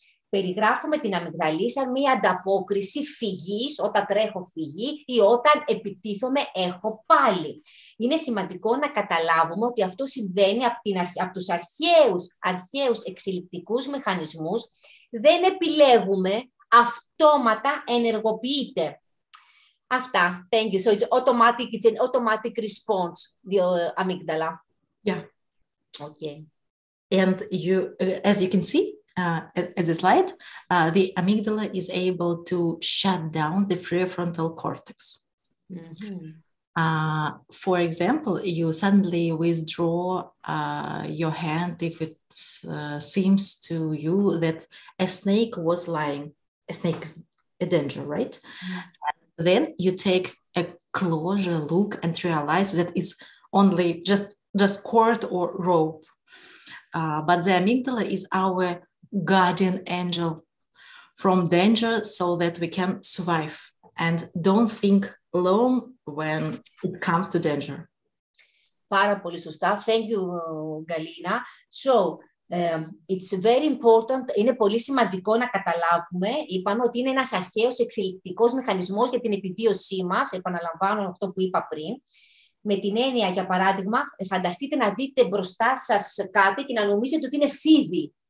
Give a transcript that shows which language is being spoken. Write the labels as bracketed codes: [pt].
[el] Περιγράφουμε την αμυγδαλή σαν μία ανταπόκριση φυγής, όταν τρέχω φυγή ή όταν επιτίθομαι έχω πάλι. Είναι σημαντικό να καταλάβουμε ότι αυτό συμβαίνει από τους αρχαίους εξελικτικούς μηχανισμούς. Δεν επιλέγουμε, αυτόματα ενεργοποιείται. Αυτά. [en] Thank you. So it's an automatic response, the amygdala. Yeah. Okay. And you, as you can see, at the slide, the amygdala is able to shut down the prefrontal cortex. Mm-hmm. For example, you suddenly withdraw your hand if it seems to you that a snake was lying. A snake is a danger, right? Mm-hmm. Then you take a closer look and realize that it's only just cord or rope. But the amygdala is our guardian angel from danger so that we can survive and don't think alone when it comes to danger. [el] Πάρα πολύ σωστά. [en] Thank you, Galina. So, it's very important, [el] είναι πολύ σημαντικό να καταλάβουμε, είπαμε ότι είναι ένας αρχαίος εξελικτικός μηχανισμός για την επιβίωσή μας, επαναλαμβάνω αυτό που είπα πριν, με την έννοια, για παράδειγμα, φανταστείτε να δείτε μπροστά σας κάτι και να νομίζετε ότι είναι φίδι.